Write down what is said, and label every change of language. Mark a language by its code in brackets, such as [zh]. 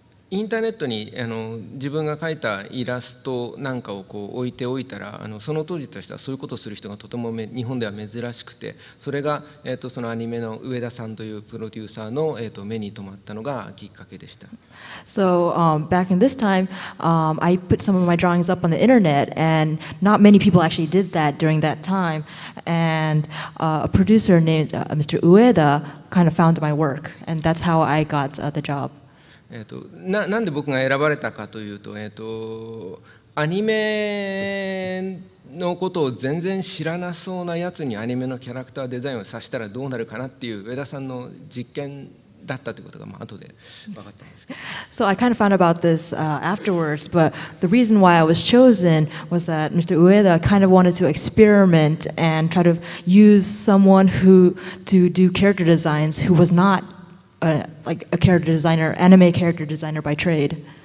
[ja] インターネットに自分が描いたイラストなんかをこう置いておいたら、その当時としてはそういうことをする人がとても日本では珍しくて、それが、そのアニメの上田さんというプロデューサーの、目に留まったのがきっかけでした。 [en] So, back in this time, I put some of my drawings up on the internet, and not many people actually did that during that time. And a producer named Mr. Ueda kind of found my work, and that's how I got the job. [ja] なんで僕が選ばれたかというと、アニメのことを全然知らなそうなやつにアニメのキャラクターデザインをさしたらどうなるかなっていう上田さんの実験だったということが、まあ、後で分かったんですけど。 [en] So I kind of found about this afterwards, but the reason why I was chosen was that Mr. Ueda kind of wanted to experiment and try to use someone who to do character designs who was notlike a character designer, anime character designer by trade.